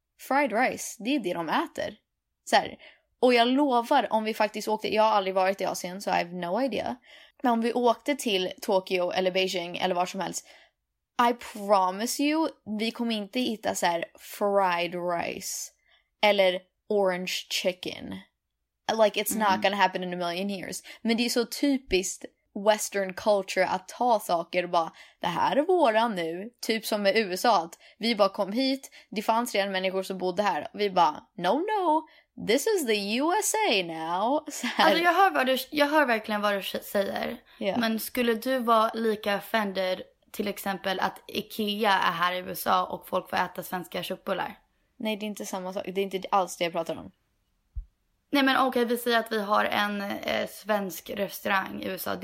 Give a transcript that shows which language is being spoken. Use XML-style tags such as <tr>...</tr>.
<sv>Fried rice, det är det de äter. Så här, och jag lovar, om vi faktiskt åkte, jag har aldrig varit i Asien, så</sv> <en>I have no idea.</en> <sv>Men om vi åkte till Tokyo eller Beijing eller var som helst,</sv> <en>I promise you,</en> <sv>vi kommer inte hitta så här fried rice eller orange chicken.</sv> <en>Like, it's not gonna happen in a million years.</en> <sv>Men det är så typiskt western culture att ta saker och bara, det här är våran nu. Typ som med USA, att vi bara kom hit, det fanns redan människor som bodde här. Vi bara,</sv> <en>no, no, this is the USA now.</en> <sv>Så här. Alltså, jag hör verkligen vad du säger.</sv> <en>Yeah.</en> <sv>Men skulle du vara lika offended, till exempel att IKEA är här i USA och folk får äta svenska köttbullar? Nej, det är inte samma sak. Det är inte alls det jag pratar om. Nej, men okej, vi säger att vi har en svensk restaurang i USA.</sv>